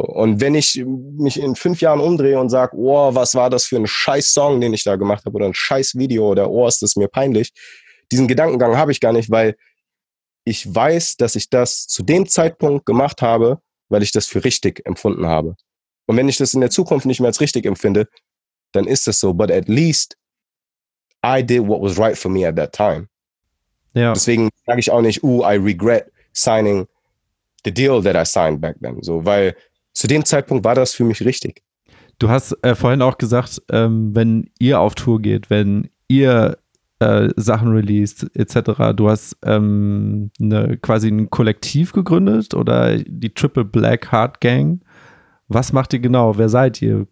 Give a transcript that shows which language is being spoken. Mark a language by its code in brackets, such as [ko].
[de] Und wenn ich mich in 5 Jahren umdrehe und sage, oh, was war das für ein scheiß Song, den ich da gemacht habe oder ein scheiß Video oder oh, ist das mir peinlich, diesen Gedankengang habe ich gar nicht, weil ich weiß, dass ich das zu dem Zeitpunkt gemacht habe, weil ich das für richtig empfunden habe. Und wenn ich das in der Zukunft nicht mehr als richtig empfinde, dann ist das so. [en] But at least I did what was right for me at that time. [de] Ja. Deswegen sage ich auch nicht, I regret signing the deal that I signed back then, so, weil zu dem Zeitpunkt war das für mich richtig. Du hast vorhin auch gesagt, wenn ihr auf Tour geht, wenn ihr Sachen released etc., du hast quasi ein Kollektiv gegründet oder die Triple Black Heart Gang. Was macht ihr genau? Wer seid ihr?